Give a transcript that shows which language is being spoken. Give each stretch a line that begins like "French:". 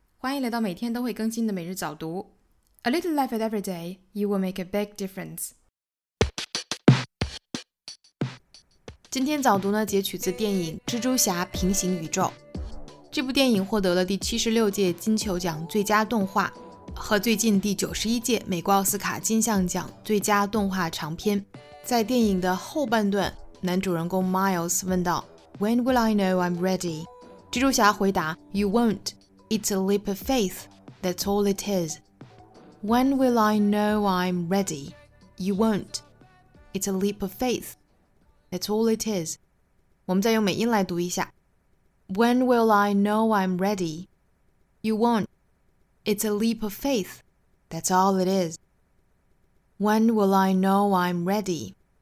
Chinese: 欢迎来到每天都会更新的每日早读。
English: A little life at every day, you will make a big difference.
Chinese: 今天早读呢，截取自电影《蜘蛛侠：平行宇宙》。这部电影获得了第76届金球奖最佳动画和最近第91届美国奥斯卡金像奖最佳动画长片。在电影的后半段，男主人公 Miles 问道
English: When will I know I'm ready?
Chinese: 蜘蛛侠回答
English: You won't. It's a leap of faith. That's all it is. When will I know I'm ready? You won't. It's a leap of faith. That's all it is.
Chinese: 我们再用美音来读一下
English: When will I know I'm ready? You won't. It's a leap of faith. That's all it is. When will I know I'm ready?